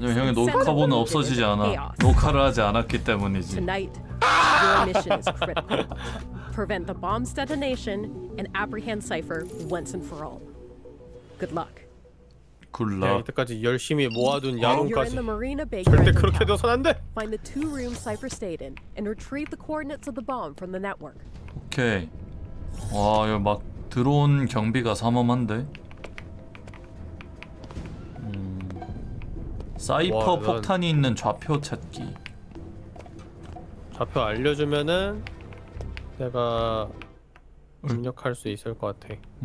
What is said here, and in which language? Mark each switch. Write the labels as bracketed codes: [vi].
[ko] 형이 녹화본은 없어지지 않아. 녹화를 하지 않았기 때문이지. [en] Tonight, your mission is critical. Prevent the bomb's detonation and apprehend Cypher once and for all. Good luck. [ko] 굴라. 야, 이때까지 열심히 모아둔 야동까지 절대 그렇게 돼선 안 돼. [en] Find the two rooms Cypher stayed in and retrieve the coordinates of the bomb from the network. [ko] 오케이. 와, 여 막 드론 경비가 삼엄한데. 사이퍼 와, 폭탄이 있는 좌표 찾기. 좌표 알려 주면은 내가 입력할 수 있을 것 같아.